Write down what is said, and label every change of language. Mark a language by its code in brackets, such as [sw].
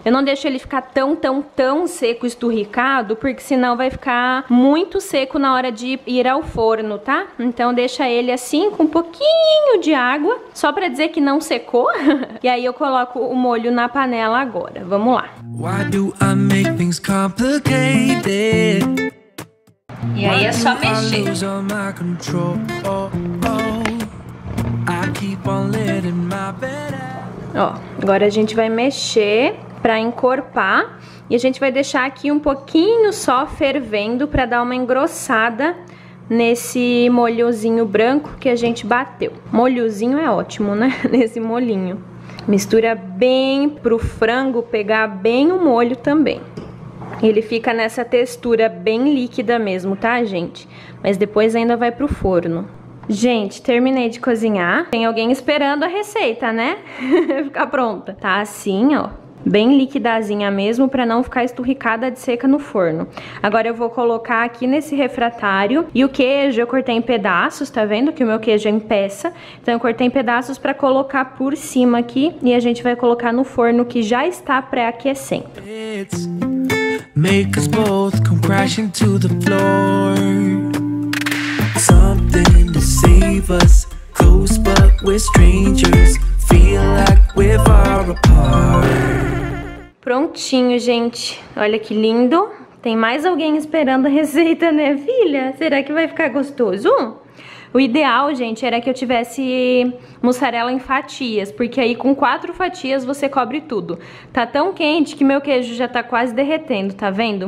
[pt] Eu não deixo ele ficar tão, tão, tão seco, esturricado, porque senão vai ficar muito seco na hora de ir ao forno, tá? Então deixa ele assim, com um pouquinho de água, só pra dizer que não secou. E aí eu coloco o molho na panela agora. Vamos lá. [en] Why do I make things complicated? [pt] E aí é só mexer. [en] I lose all my control. Oh, oh. I keep on letting my bed out. [pt] Ó, agora a gente vai mexer pra encorpar. E a gente vai deixar aqui um pouquinho só fervendo pra dar uma engrossada nesse molhozinho branco que a gente bateu. Molhozinho é ótimo, né? Nesse molhinho. Mistura bem pro frango pegar bem o molho também. Ele fica nessa textura bem líquida mesmo, tá, gente? Mas depois ainda vai pro forno. Gente, terminei de cozinhar. Tem alguém esperando a receita, né? Ficar pronta. Tá assim, ó. Bem liquidazinha mesmo, pra não ficar esturricada de seca no forno. Agora eu vou colocar aqui nesse refratário. E o queijo eu cortei em pedaços, tá vendo? Que o meu queijo é em peça. Então eu cortei em pedaços pra colocar por cima aqui. E a gente vai colocar no forno que já está pré-aquecendo. [en] Make us both come crashing to the floor. Something to save us. Close but we're strangers. Feel like we're far apart. [pt] Prontinho, gente. Olha que lindo. Tem mais alguém esperando a receita, né, filha? Será que vai ficar gostoso? O ideal, gente, era que eu tivesse mussarela em fatias, porque aí com 4 fatias você cobre tudo. Tá tão quente que meu queijo já tá quase derretendo, tá vendo?